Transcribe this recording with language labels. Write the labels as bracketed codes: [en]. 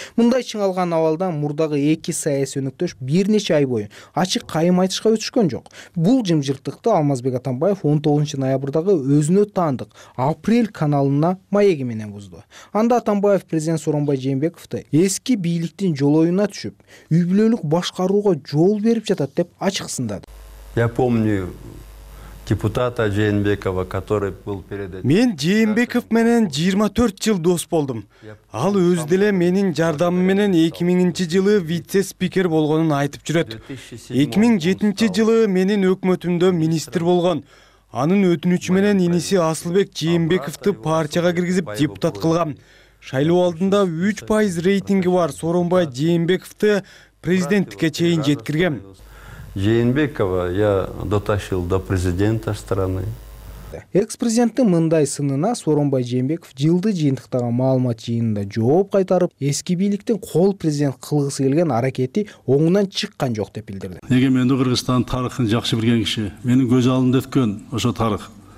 [ky] Мындай чыңалган абалда мурдагы эки саясий өнөктөш бир нече ай бою ачык кайым айтышка өтүшкөн жок. Бул жымжыртыкты Алмазбек Атамбаев 19 ноябрдагы өзүнө таандык Апрель каналына маеги менен бузду. Анда Атамбаев президент Сооронбай Жээнбековду эски бийликтин жолоюна түшүп, үй бүлөлүк башкарууга жол берип жатат деп ачыксында. [ru] Я помню депутата Жээнбекова, который был перед этим. [ky] Мен Жээнбеков менен 24 жыл дос болдум. Ал өз деле менин жардамым менен 2000-жылы вице-спикер болгонун айтып жүрөт. 2007-жылы менин өкмөтүмдө министр болгон. Анын өтүнүчү менен иниси Асылбек Жээнбековду партияга киргизип депутат кылган. Шайлоо алдында 3% рейтинги бар Сооронбай Жээнбековду президенттикке чейин жеткиргем. [ru] Жээнбекова я дотащил до президента страны. [ky] Экс-президенттин мындай сынына Сооронбай Жээнбеков жылды жыйынтыктагы маалымат жыйынында жооп кайтарып, эски бийликтин кол президент кылгысы келген аракети оңунан чыккан жок деп билдирди. Эгер мен Кыргызстан тарыхын жакшы билген киши, менин көз алдымда өткөн ошо тарых.